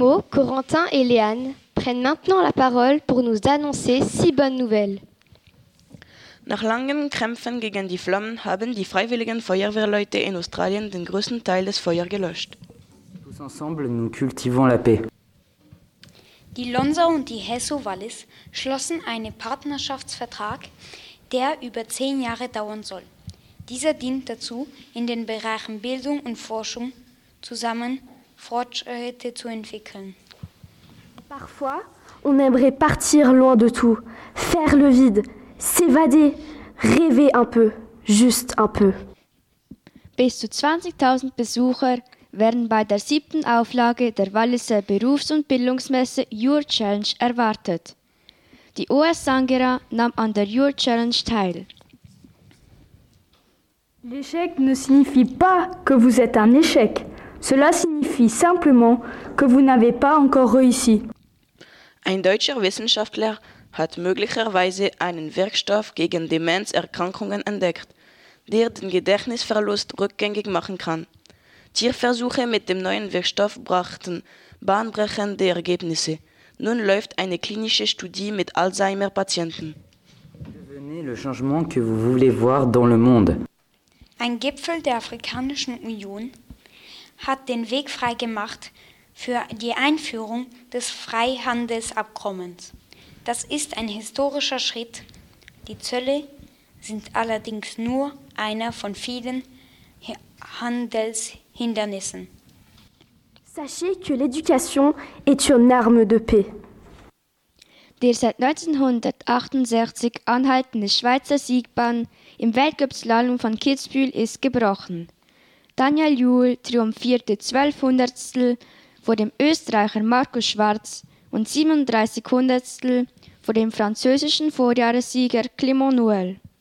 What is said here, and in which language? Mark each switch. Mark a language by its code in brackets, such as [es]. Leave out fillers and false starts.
[fr] Corentin et Léane prennent maintenant la parole pour nous annoncer six bonnes nouvelles. [de] Nach langen Kämpfen gegen die Flammen haben die freiwilligen Feuerwehrleute in Australien den größten Teil des Feuers gelöscht. [fr] Tous ensemble, nous cultivons la paix. [de] Die Lonsa und die Hesso Wallis schlossen einen Partnerschaftsvertrag, der über 10 Jahre dauern soll. Dieser dient dazu, in den Bereichen Bildung und Forschung zusammen Fortschritte zu entwickeln. [fr] Parfois, on aimerait partir loin de tout, faire le vide, s'évader, rêver un peu, juste un peu. [de] Bis zu 20.000 Besucher werden bei der 7. Auflage der Walliser Berufs- und Bildungsmesse Your Challenge erwartet. Die OS Sangera nahm an der Your Challenge teil. [fr] L'échec ne signifie pas que vous êtes un échec. Cela signifie simplement que vous n'avez pas encore réussi. [de] Ein deutscher Wissenschaftler hat möglicherweise einen Wirkstoff gegen Demenzerkrankungen entdeckt, der den Gedächtnisverlust rückgängig machen kann. Tierversuche mit dem neuen Wirkstoff brachten bahnbrechende Ergebnisse. Nun läuft eine klinische Studie mit Alzheimer-Patienten. [fr] Devenez le changement que vous voulez voir dans le monde. [de] Ein Gipfel der Afrikanischen Union hat den Weg frei gemacht für die Einführung des Freihandelsabkommens. Das ist ein historischer Schritt. Die Zölle sind allerdings nur einer von vielen Handelshindernissen. [fr] Sachez que l'éducation est une arme de paix. [de] Der seit 1968 anhaltende Schweizer Siegbahn im Weltcup-Slalom von Kitzbühel ist gebrochen. Daniel Juhl triumphierte 1/12 vor dem Österreicher Markus Schwarz und 37 vor dem französischen Vorjahressieger Clément Noël.